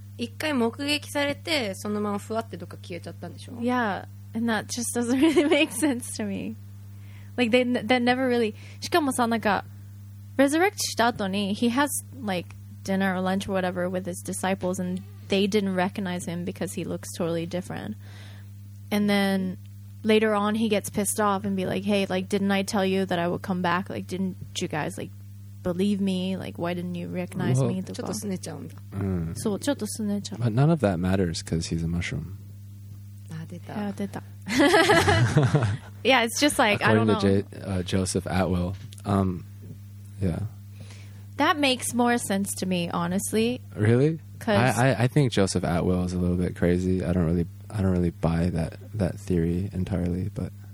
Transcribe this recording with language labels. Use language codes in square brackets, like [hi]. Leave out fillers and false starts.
[ja] 一回目撃されてそのままふわってどっか消えちゃったんでしょ？ [en] Yeah, and that just doesn't really make sense to me. Like, they never really... [ja] しかもさ、なんか [en] resurrect した後に he has like dinner or lunch or whatever with his disciples and they didn't recognize him because he looks totally different. And then later on he gets pissed off and be like, hey, like, didn't I tell you that I would come back? Like, didn't you guys like believe me? Like, why didn't you recognize me? [ja] ちょっとすねちゃうんだ。そう、ちょっとすねちゃう。 [en] But none of that matters because he's a mushroom. [ja] あ、出た。あ、出た。 [en] Yeah, it's just like, according I don't know. To Joseph Atwell. Yeah. That makes more sense to me, honestly. Really? Because I think Joseph Atwell is a little bit crazy. I don't really buy that theory entirely, but...